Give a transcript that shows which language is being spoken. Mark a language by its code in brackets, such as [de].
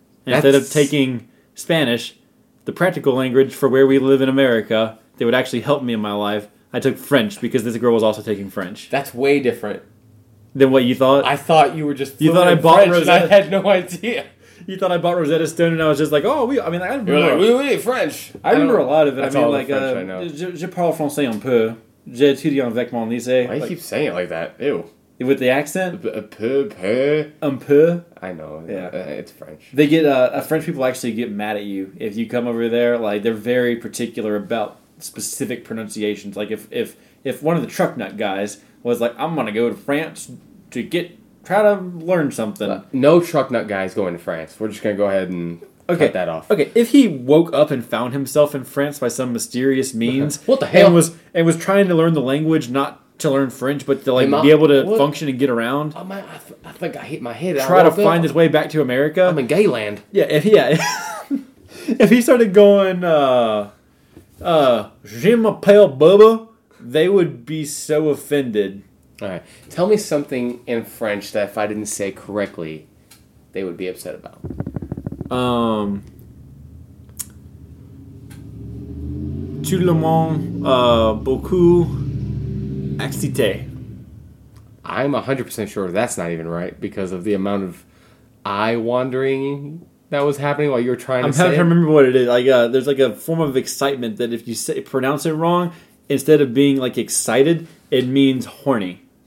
[en] Instead of taking Spanish, the practical language for where we live in America that would actually help me in my life, I took French because this girl was also taking French. That's way different. Than what you thought? I thought you were just I had no idea. You thought I bought Rosetta Stone and I was just like, oh, oui. I mean, I remember. You're like, oui, French. I remember a lot of it. That's I mean, all like, the French I know. [fr] Je parle français un peu. J'ai étudié avec mon lycée. [en] Why do you keep saying it like that? Ew. With the accent? [fr] Un peu. [en] I know. Yeah. It's French. They get, French people actually get mad at you if you come over there. Like, they're very particular about specific pronunciations. Like, if one of the truck nut guys was like, I'm going to go to France to get, try to learn something. No truck nut guy is going to France. We're just going to go ahead and cut that off. Okay, if he woke up and found himself in France by some mysterious means. What the hell? And was trying to learn the language, not to learn French, but to like be able to function and get around. I think I hit my head. Try to find his way back to America. I'm in gay land. Yeah, if he started going, [fr] je m'appelle Bubba, [en] they would be so offended. All right. Tell me something in French that if I didn't say correctly, they would be upset about. [fr] Tout le monde beaucoup excité. [en] I'm 100% sure that's not even right because of the amount of eye wandering that was happening while you were trying to say it. I'm trying to remember what it is. Like, there's like a form of excitement that if you pronounce it wrong, instead of being like excited, it means horny.